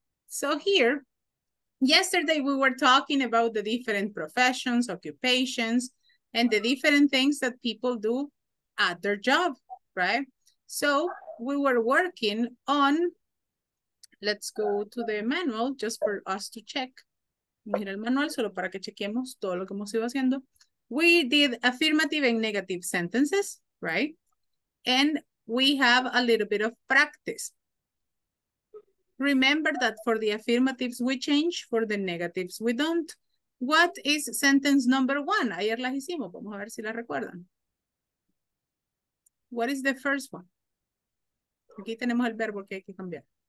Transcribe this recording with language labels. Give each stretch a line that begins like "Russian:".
English: So here, yesterday we were talking about the different professions, occupations, and the different things that people do at their job, right? So we were working on... Let's go to the manual just for us to check.
Spanish: Mira el manual solo para que chequemos todo lo que hemos ido haciendo.
English: We did affirmative and negative sentences, right? And we have a little bit of practice. Remember that for the affirmatives we change, for the negatives we don't. What is sentence number one?
Spanish: Ayer las hicimos, vamos a ver si la recuerdan.
English: What is the first one?
Spanish: Aquí tenemos el verbo que hay que cambiar.